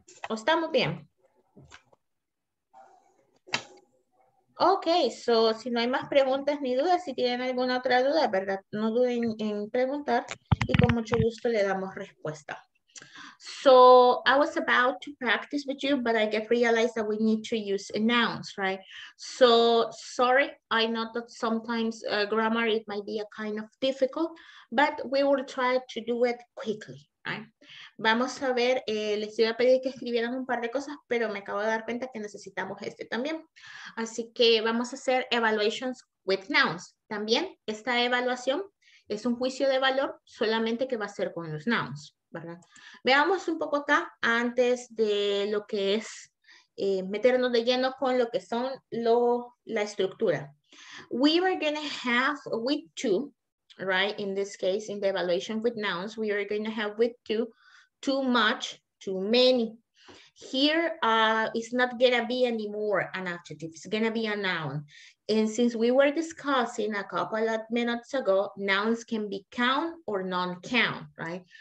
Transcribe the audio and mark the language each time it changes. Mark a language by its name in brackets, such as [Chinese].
[Spanish] ¿O estamos bien? Ok, so si no hay más preguntas ni dudas, si tienen alguna otra duda, ¿verdad? No duden en preguntar, y con mucho gusto le damos respuesta. [English] So I was about to practice with you, but I get realized that we need to use nouns, right? So sorry, I know that sometimes grammar, it might be a kind of difficult, but we will try to do it quickly, right? [Spanish] Vamos a ver, les iba a pedir que escribieran un par de cosas, pero me acabo de dar cuenta que necesitamos este también. Así que vamos a hacer [English] evaluations with nouns. [Spanish] También esta evaluación es un juicio de valor, solamente que va a ser con los nouns, ¿verdad? Veamos un poco acá antes de lo que es meternos de lleno con lo que son la estructura. [English] We are going to have with two, right? In this case, in the evaluation with nouns, we are going to have with two, too much, too many. Here, it's not going to be anymore an adjective. It's going to be a noun. And since we were discussing a couple of minutes ago, nouns can be count or non-count, right?